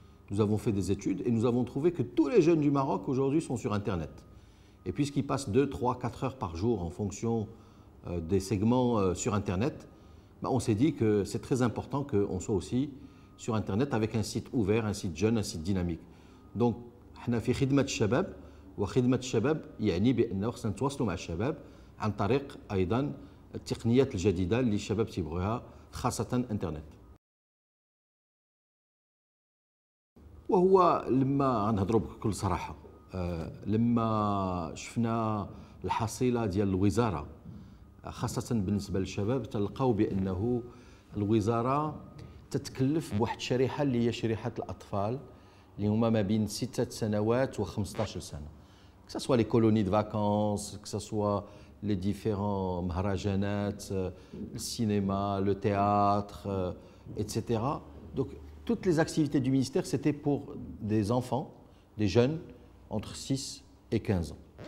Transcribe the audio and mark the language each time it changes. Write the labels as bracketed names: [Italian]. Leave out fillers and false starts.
[French] Nous avons fait des études et nous avons trouvé que tous les jeunes du Maroc aujourd'hui sont sur Internet. Et puisqu'ils passent 2, 3, 4 heures par jour en fonction des segments sur Internet, bah, on s'est dit que c'est très important qu'on soit aussi sur Internet avec un site ouvert, un site jeune, un site dynamique. Donc, on a fait Khidmat Shabab. [Arabic] Et Khidmat Shabab, يعني بأنه خصنا نتواصلوا مع الشباب عن طريق أيضا التقنيات الجديدة اللي الشباب تيبغوها خاصة الإنترنت. وهو لما نهضروا بكل صراحة لما شفنا الحصيلة ديال الوزارة خاصة بالنسبة للشباب تلقاو بأنه الوزارة تتكلف بواحد الشريحة اللي هي شريحة الأطفال اللي هما ما بين 6 سنوات و 15 سنة. [French] Que ce soit les colonies de vacances, que ce soit les différents maharajanats, le cinéma, le théâtre, etc. Donc, toutes les activités du ministère, c'était pour des enfants, des jeunes, entre 6 et 15 ans.